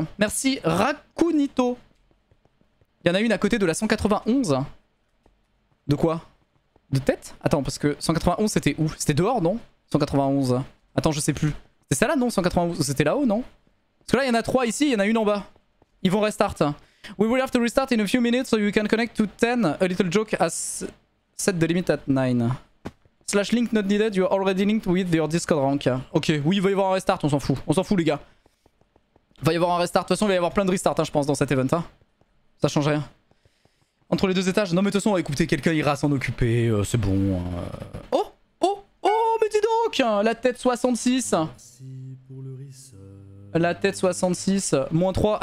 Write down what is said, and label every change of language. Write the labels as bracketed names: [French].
[French] Merci Rakunito. Il y en a une à côté de la 191. De quoi? De tête? Attends, parce que 191 c'était où? C'était dehors, non? 191. Attends, je sais plus. C'est ça là, non? 191, c'était là-haut, non? Parce que là, il y en a 3 ici, il y en a une en bas. Ils vont restart. [English] We will have to restart in a few minutes so you can connect to 10. A little joke as set the limit at 9. Slash link not needed, you are already linked with your Discord rank. [French] Ok, oui, il va y avoir un restart, on s'en fout. On s'en fout, les gars. Il va y avoir un restart. De toute façon, il va y avoir plein de restarts, hein, je pense, dans cet event. Hein. Ça change rien. Entre les deux étages. Non, mais de toute façon, écoutez, quelqu'un ira s'en occuper. C'est bon. Oh! Oh! Oh! Mais dis donc! La tête 66. Merci pour le la tête 66. Moins 3.